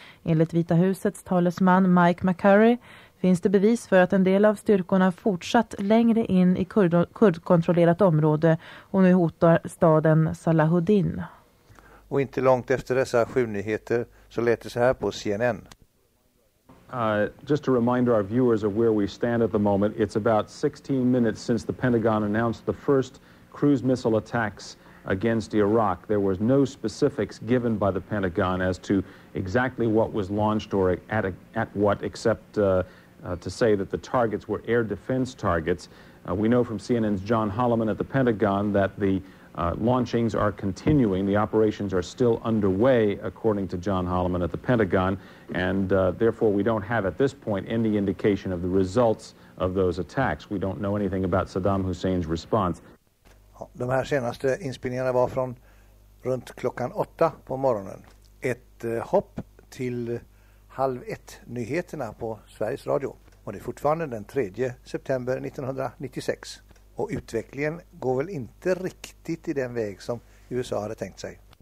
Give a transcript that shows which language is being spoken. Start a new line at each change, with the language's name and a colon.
Swedish: Enligt Vita husets talesman Mike McCurry finns det bevis för att en del av styrkorna fortsatt längre in i kurdkontrollerat område och nu hotar staden Salahuddin. Och inte långt efter dessa sju nyheter så lät det så här på CNN.
English: Just to remind our viewers of where we stand at the moment, it's about 16 minutes since the Pentagon announced the first cruise missile attacks against Iraq. There was no specifics given by the Pentagon as to exactly what was launched or at what, except to say that the targets were air defense targets. We know from CNN's John Holloman at the Pentagon that the launchings are continuing. The operations are still underway, according to John Holloman at the Pentagon, and therefore we don't have at this point any indication of the results of those attacks. We don't know anything about Saddam Husseins response.
Swedish: Ja, de här senaste inspelningarna var från runt klockan 8 på morgonen. Ett hopp till 12:30 nyheterna på Sveriges Radio. Och det är fortfarande den 3 september 1996. Och utvecklingen går väl inte riktigt i den väg som USA hade tänkt sig.